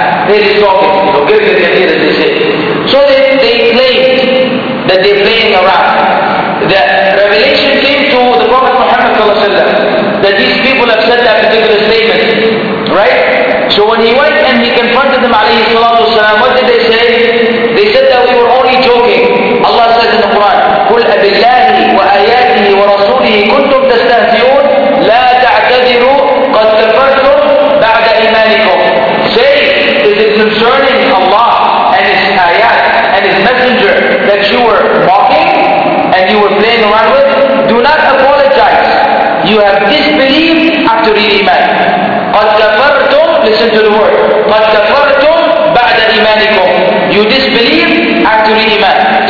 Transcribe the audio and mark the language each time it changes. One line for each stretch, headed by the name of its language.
English: They're just talking, give it, as they say. So they claimed that they're playing around. The revelation came to the Prophet Muhammad that these people have said that particular statement, right? So when he went and he confronted them, alayhi salatu wasalam, what did they say? They said that we were only joking. Allah says in the Quran,
Arabic: قُلْ أَبِاللَّهِ وَآيَاتِهِ وَرَسُولِهِ كُنْتُمْ تَسْتَهْزِئُونَ لَا تَعْتَذِرُوا قَدْ كَفَرْتُمْ بَعْدَ إِيمَانِكُمْ.
English: Say, is it concerning Allah and His ayat and His messenger that you were mocking and you were playing around with? Do not apologize. You have disbelieved after reading Iman.
Arabic: قَدْ كَفَرْتُمْ
English: Listen to the word.
Arabic: قَدْ كَفَرْتُمْ بَعْدَ إِيمَانِكُمْ
English: You disbelieve after iman.